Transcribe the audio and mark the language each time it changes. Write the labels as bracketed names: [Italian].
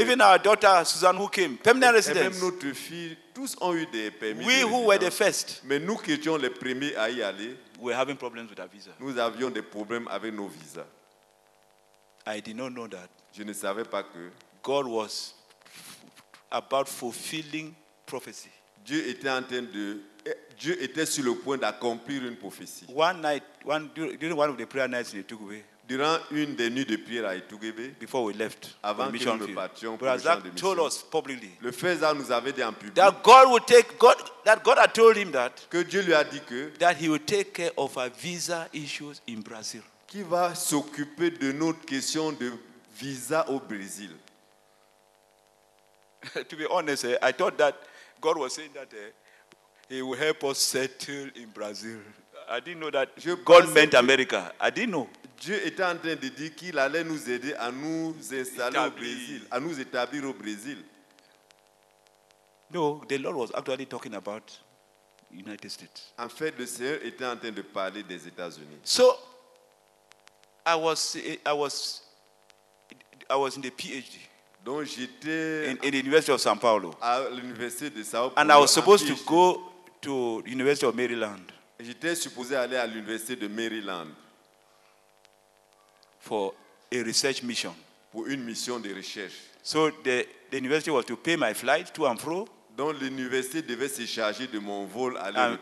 [English] Even our daughter Susan who came, permanent residence. [French] Et même notre fille, tous ont eu des permis. [English] We [French] de [English] who were the first. [French] Mais nous qui étions les premiers à y aller. [English] We were having problems with our visa. [French] Nous avions des problèmes avec nos visas. [English] I did not know that. [French] Je ne savais pas que [English] God was about fulfilling prophecy. [French] Dieu était en train de Dieu était sur le point d'accomplir une prophétie. [English] One night, during one of the prayer nights in Etugbe. [French] Durant une des nuits de prière à Etugbe. [English] Before we left, [French] avant mission que nous partions pour le champ de mission. [English] Brother Zach told us publicly. [French] Le Faisal nous avait dit en public. [English] That God would take God that God had told him that. [French] Que Dieu lui a dit que [English] that he would take care of our visa issues in Brazil. [French] Qui va s'occuper de notre question de visa au Brésil? [English] To be honest, I thought that God was saying that he will help us settle in Brazil. I didn't know that God meant America. I didn't know. [French] Dieu était en train de dire qu'il allait nous aider à nous installer au Brésil, à nous établir au Brésil. [English] No, the Lord was actually talking about United States. [French] En fait, le Seigneur était en train de parler des États-Unis. [English] So, I was in the PhD. [French] Donc j'étais [English] in the University of São Paulo. [French] À l'Université de São Paulo. [English] And I was supposed to go to the University of Maryland. [French] J'étais supposé aller à l'Université de Maryland. [English] For a research mission. [French] Pour une mission de recherche. [English] So the university was to pay my flight to and fro. [French] Donc l'université devait se charger de mon vol aller